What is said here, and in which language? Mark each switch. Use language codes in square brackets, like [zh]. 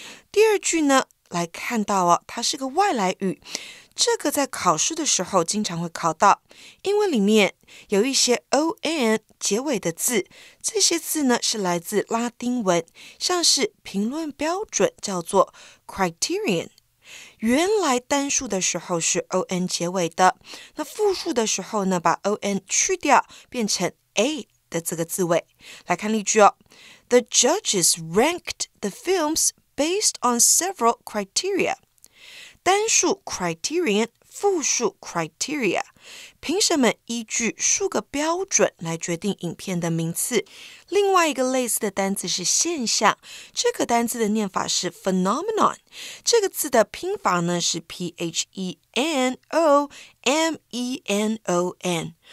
[zh] 第二句呢来看到哦，它是个外来语，这个在考试的时候经常会考到，英文里面有一些 on 结尾的字，这些字呢是来自拉丁文，像是评论标准叫做 criterion，原来单数的时候是 on 结尾的，那复数的时候呢，把 on 去掉，变成 a 的这个字尾。来看例句哦。 [en] The judges ranked the films based on several criteria. [zh] 单数 criterion, 复数 criteria. 评审们依据数个标准来决定影片的名次。另外一个类似的单字是现象，这个单字的念法是 phenomenon. 这个字的拼法呢是 phenomenon.